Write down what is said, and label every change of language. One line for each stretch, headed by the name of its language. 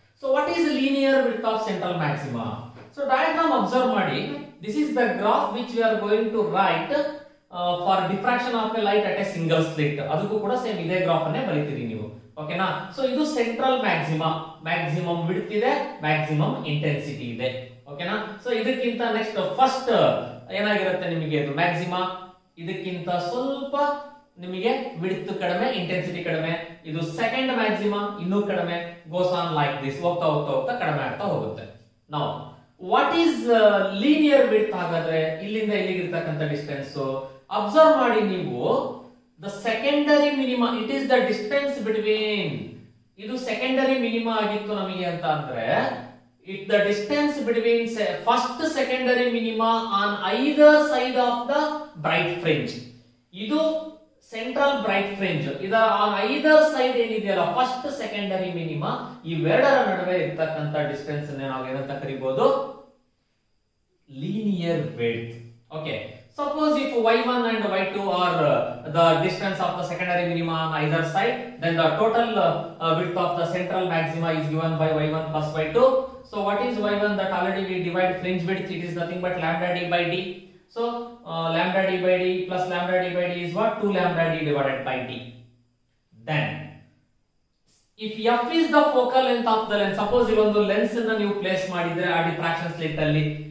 English: So what is linear width of central maxima? So diagram observe maadi, this is the graph which we are going to write for diffraction of a light at a single slit.
Kannada: Aduku kuda same ide graph anne barithiri neevu, okay na? So idu central maxima, maximum width ide, maximum intensity ide, okay na? So idukkinta next first enagirutte nimge idu maxima, ಇದಕ್ಕಿಂತ ಸ್ವಲ್ಪ ನಿಮಗೆ width ಕಡಿಮೆ intensity ಕಡಿಮೆ ಇದು second maximum ಇನ್ನು ಕಡಿಮೆ
English: goes on like this
Kannada: ಹೋಗ್ತಾ ಹೋಗ್ತಾ ಹೋಗ್ತಾ ಕಡಿಮೆ ಆಗ್ತಾ ಹೋಗುತ್ತೆ
English: now what is linear width
Kannada: ಹಾಗಾದ್ರೆ ಇಲ್ಲಿಂದ ಇಲ್ಲಿಗೆ ಇರತಕ್ಕಂತ ಡಿಸ್ಟೆನ್ಸ್ ಅಬ್ಸರ್ವ್ ಮಾಡಿ ನೀವು
English: the secondary minimum it is the distance between
Kannada: ಇದು ಸೆಕೆಂಡರಿ ಮಿನಿಮಮ್ ಆಗಿತ್ತು ನಮಗೆ ಅಂತ ಅಂದ್ರೆ
English: it the distance between first secondary minimum on either side of the bright fringe
Kannada: ಇದು ಸೆಂಟ್ರಲ್ ಬ್ರೈಟ್ ಫ್ರಿಂಜ್ ಇದರ ಆನ್ ಐದರ್ ಸೈಡ್ ಏನಿದೆಯಲ್ಲ ಫಸ್ಟ್ ಸೆಕೆಂಡರಿ ಮಿನಿಮಮ್ ಇವೆರಡರ ನಡುವೆ ಇರತಕ್ಕಂತ ಡಿಸ್ಟೆನ್ಸ್ ಅನ್ನು ನಾವು ಏನಂತ ಕರೀಬಹುದು
English: Linear width okay Suppose if y1 and y2 are the distance of the secondary minima on either side, then the total width of the central maxima is given by y1 plus y2. So what is y1? That already we divide fringe width. It is nothing but lambda d by d. So lambda d by d plus lambda d by d is what? 2 lambda d divided by d. Then if f is the focal length of the lens, suppose you want the lens in the new place,
Kannada: madidre a diffraction slit alli.